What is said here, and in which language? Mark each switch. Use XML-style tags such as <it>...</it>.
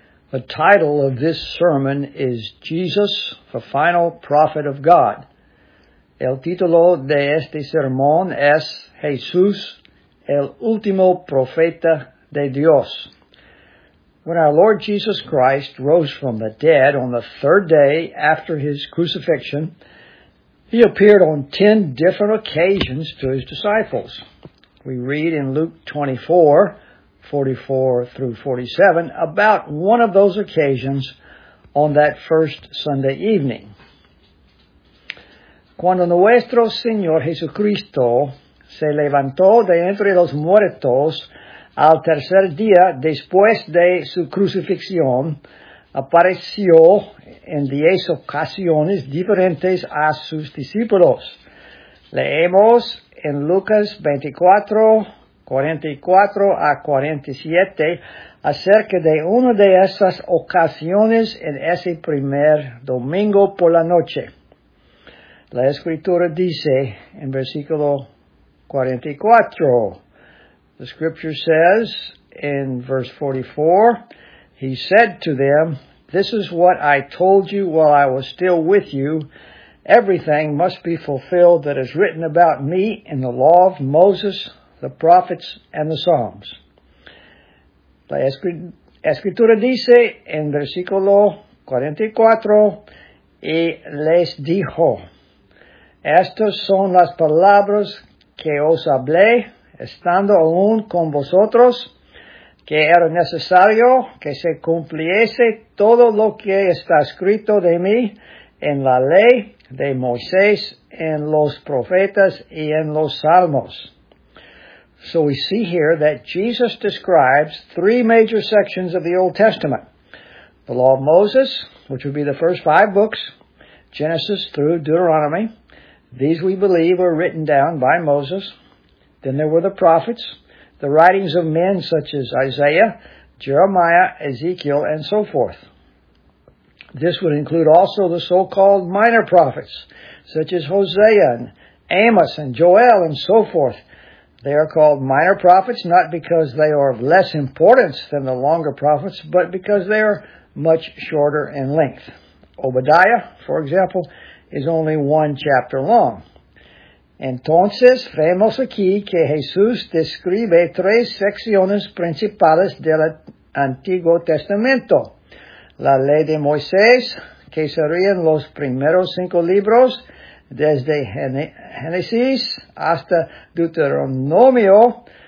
<en>The title of this sermon is Jesus, the Final Prophet of God.</en> <es>El título de este sermón es Jesús, el último profeta de Dios.</es> <en>When our Lord Jesus Christ rose from the dead on the third day after his crucifixion, he appeared on 10 different occasions to his disciples. We read in Luke 24, 44 through 47, about one of those occasions on that first Sunday evening.</en> <es>Cuando nuestro Señor Jesucristo se levantó de entre los muertos al tercer día después de su crucifixión, apareció en 10 ocasiones diferentes a sus discípulos. Leemos en Lucas 24, 44 a 47 acerca de una de esas ocasiones en ese primer domingo por la noche. La Escritura dice en versículo 44,</es> <en>the Scripture says in verse 44, he said to them, this is what I told you while I was still with you. Everything must be fulfilled that is written about me in the law of Moses, the prophets, and the Psalms.</en> <es>La Escritura dice en versículo 44, y les dijo, estas son las palabras que os hablé, estando aún con vosotros, que era necesario que se cumpliese todo lo que está escrito de mí en la ley de Moisés, en los profetas, y en los salmos.</es> <en>So we see here that Jesus describes three major sections of the Old Testament. The Law of Moses, which would be the first five books, Genesis through Deuteronomy. These, we believe, were written down by Moses. Then there were the prophets, the writings of men such as Isaiah, Jeremiah, Ezekiel, and so forth. This would include also the so-called minor prophets, such as Hosea and Amos and Joel and so forth. They are called minor prophets not because they are of less importance than the longer prophets, but because they are much shorter in length. Obadiah, for example, is only one chapter long.</en> <es>Entonces, vemos aquí que Jesús describe tres secciones principales del Antiguo Testamento. La ley de Moisés, que serían los primeros cinco libros, desde Génesis hasta Deuteronomio.</es>